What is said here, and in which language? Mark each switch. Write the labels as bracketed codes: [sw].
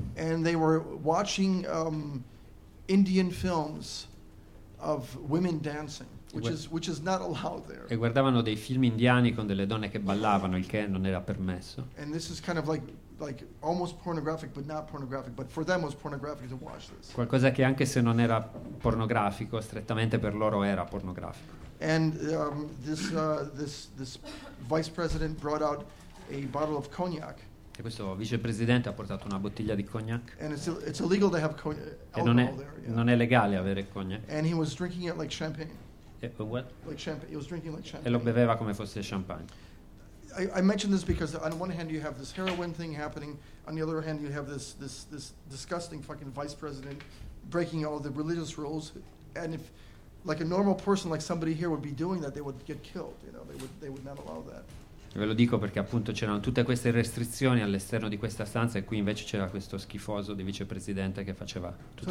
[en] And they were watching Indian films of women dancing, which is not allowed there. [it] E guardavano dei film indiani con delle donne che ballavano, il che non era permesso. [en] And this is kind of like almost pornographic, but not pornographic. But for them, it was pornographic to watch this. [it] Qualcosa che anche se non era pornografico, strettamente per loro era pornografico. [en] And this vice president brought out a bottle of cognac. [it] E questo vicepresidente ha portato una bottiglia di cognac. [en] And it's illegal to have alcohol there. [it] Non è legale avere cognac. [en] And he was drinking it like champagne. What? Like champagne. He was drinking like champagne. [it] E lo beveva come fosse champagne. [en] I mentioned this because on one hand you have this heroin thing happening, on the other hand you have this disgusting fucking vice president breaking all the religious rules, and if like a normal person like somebody here would be doing that, they would get killed, you know, they would not allow that. [it] Ve lo dico perché appunto c'erano tutte queste restrizioni all'esterno di questa stanza e qui invece c'era questo schifoso di vicepresidente che faceva tutto